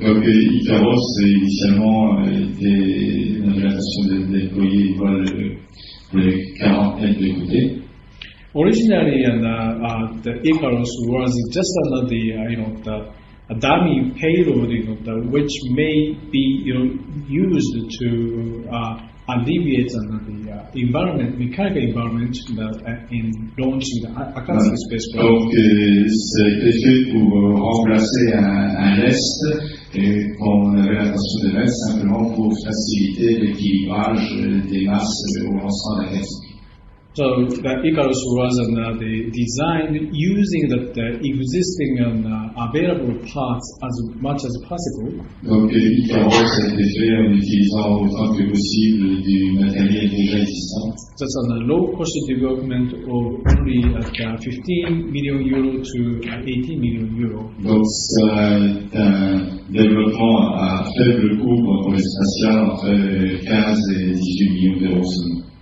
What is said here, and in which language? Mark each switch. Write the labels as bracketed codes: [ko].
[fr] Donc Icarus initialement était une orientation de déployer une voile de 40 mètres de côté. [en] Originally, the Icarus was just another, a dummy payload, which may be used to alleviate the environment, mechanical environment, in launching the Akatsuki spacecraft. [fr] Donc, c'était fait pour remplacer un lest, qu'on avait l'intention de mettre simplement pour faciliter l'équilibrage des masses au lancement de la lest. [en] So the Icarus was designed using the existing and available parts as much as possible. [fr] Donc Icarus a été fait en utilisant autant que possible du matériel déjà existant. [en] That's on a low cost development of only at 15 million euros to 18 million euros. [fr] Donc c'est un développement à faible coût pour le projet spatial entre 15 et 18 millions d'euros seulement.